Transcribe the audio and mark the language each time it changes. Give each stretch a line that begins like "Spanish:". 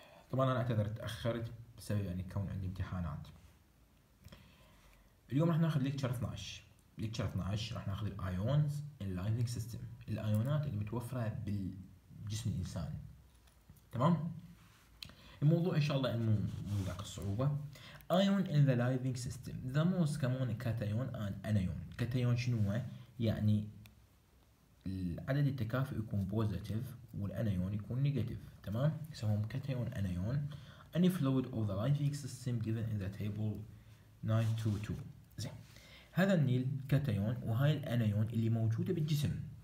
Arabic: طبعا انا اعتذر تاخرت بسبب يعني كون عندي امتحانات. اليوم راح ناخذ ليكتشر 12 راح ناخذ الايونز
English: in living system,
Arabic: الايونات اللي متوفره بالجسم الانسان. تمام، الموضوع ان شاء الله مو ذاك الصعوبة.
English: Ion in the living system. The most common cation and anion.
Arabic: cation شنو؟ يعني العدد التكافئ يكون positive والانيون يكون negative. تمام؟ يسمون cation anion.
English: Any fluid of the living system given in the table 922. زين.
Arabic: هذا النيل cation وهاي الانيون اللي موجودة بالجسم.